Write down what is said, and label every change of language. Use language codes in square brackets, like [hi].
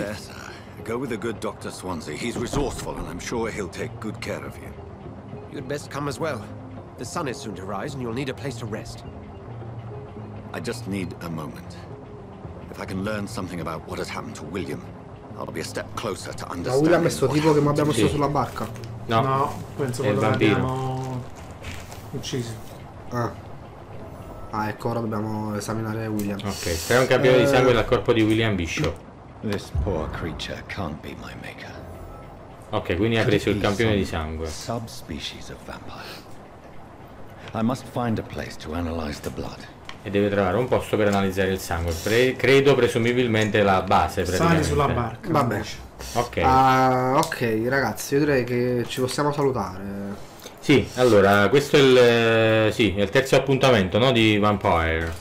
[en] Yes, go with the good Dr. Swansea. He's resourceful, and I'm sure he'll take good care of you. You'd best come as well. The sun is soon to rise, and you'll need a place to rest. I just need a moment. If I can learn something about what has happened to William, I'll be a step closer to understanding. [it] Ma William è sto tipo che mi abbiamo messo sulla barca? No, no, penso che l'abbiamo ucciso. Ah, ecco, ora dobbiamo esaminare William. Ok, c'è un campione di sangue dal corpo di William Bishop. [en] This poor creature can't be my maker. [it] Ok, quindi ha preso il campione di sangue. [en] Subspecies of vampire. I must find a place to analyze the blood. [it] E deve trovare un posto per analizzare il sangue. Credo presumibilmente la base. Sali sulla barca. Vabbè. Ok. Ok, ragazzi, io direi che ci possiamo salutare. Sì, allora, questo è il, sì, è il terzo appuntamento, no, di Vampire.